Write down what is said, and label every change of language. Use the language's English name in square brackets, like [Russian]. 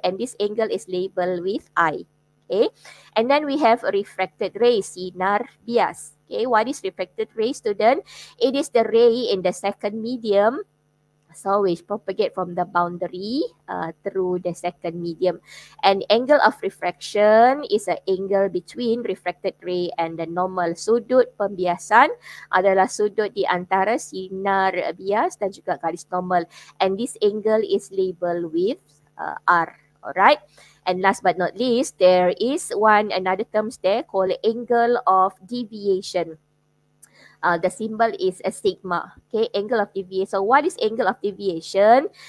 [English] And this angle is labeled with I. Okay, and then we have refracted ray, [Malay] sinar bias. [English] Okay, what is refracted ray, student? It is the ray in the second medium, so which propagate from the boundary through the second medium. And angle of refraction is an angle between refracted ray and the normal. [Malay] Sudut pembiasan adalah sudut di antara sinar bias dan juga garis normal. [English] And this angle is labeled with R, alright? And last but not least, there is one another terms there called angle of deviation. The symbol is a sigma. Okay, angle of deviation. So what is angle of deviation?